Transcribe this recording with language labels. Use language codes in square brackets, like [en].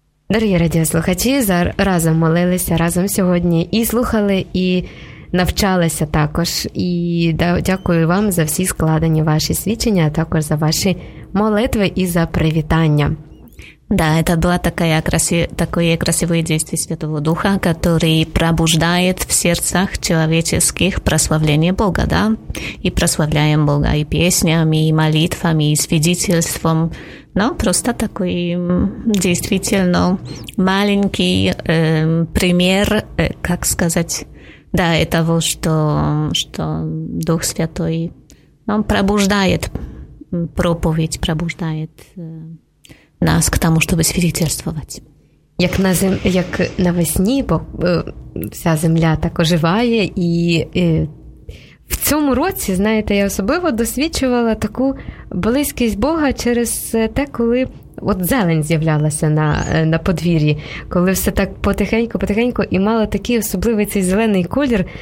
[uk] Дорогі радіослухачі, разом молилися, разом сьогодні і слухали, і навчалися також. І дякую вам за всі складені ваші свідчення, а також за ваші молитви і за привітання. [ru] Да, это было такое, такое красивое действие Святого Духа, который пробуждает в сердцах человеческих прославление Бога, да? И прославляем Бога и песнями, и молитвами, и свидетельством. Ну, просто такой действительно маленький пример, как сказать, да, того, что Дух Святой, ну, пробуждает проповедь, пробуждает... нас к тому, чтобы свидетельствовать. [uk] Як на зим, як на весні, бо вся земля так оживає, і в цьому році, знаєте, я особливо досвідчувала таку близькість Бога через те, коли от зелень з'являлася на подвір'ї, коли все так потихеньку і мало такий особливий цей зелений колір.